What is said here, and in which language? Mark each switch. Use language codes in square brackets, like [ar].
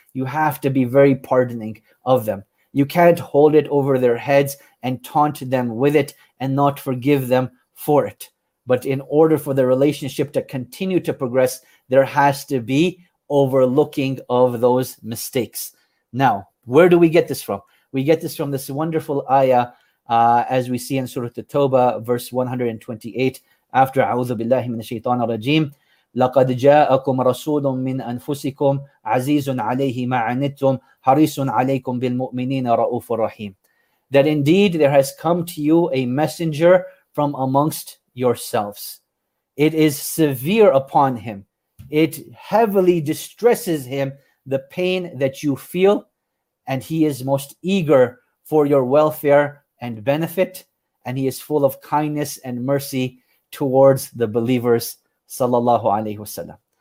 [en] You have to be very pardoning of them. You can't hold it over their heads and taunt them with it and not forgive them for it. But in order for the relationship to continue to progress, there has to be overlooking of those mistakes. Now, where do we get this from? We get this from this wonderful ayah, as we see in Surah At-Tawbah, verse 128, after [ar] أعوذ بالله من الشيطان الرجيم لقد جاءكم رسول من أنفسكم عزيز عليه ما عنتم حريص عليكم بالمؤمنين رؤوف رحيم. [en] That indeed there has come to you a messenger from amongst yourselves. It is severe upon him. It heavily distresses him, the pain that you feel, and he is most eager for your welfare and benefit, and he is full of kindness and mercy towards the believers, sallallahu alayhi wasallam.